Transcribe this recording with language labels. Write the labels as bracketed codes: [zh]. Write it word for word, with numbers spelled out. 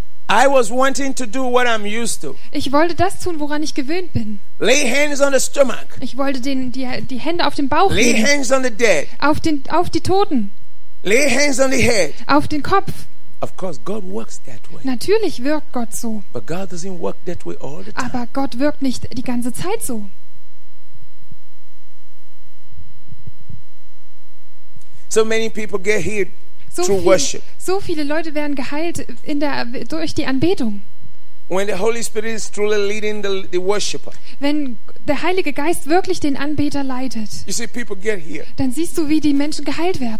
[en] I was wanting to do what I'm used to. [de] Ich wollte das tun, woran ich gewöhnt bin. [en] Lay hands on the stomach. [de] Ich wollte den, die, die Hände auf den Bauch [en] Lay [de] heben. [en] hands on the dead. [de] Auf den, auf die Toten. [en] Lay hands on the head. [de] Auf den Kopf. [en] Of course, God works that way. [de] Natürlich wirkt Gott so. [en] But God doesn't work that way all the [de] Aber [en] time. [de] Gott wirkt nicht die ganze Zeit so. [en] So many people get healed So True [de] viel- [en] worship. [de] so viele Leute werden geheilt in der, durch die Anbetung. [en] When the Holy Spirit is truly leading the, the worshiper. [de] Wenn der Heilige Geist wirklich den Anbeter leitet, [en] You see, people get here. [de] dann siehst du, wie die Menschen geheilt werden.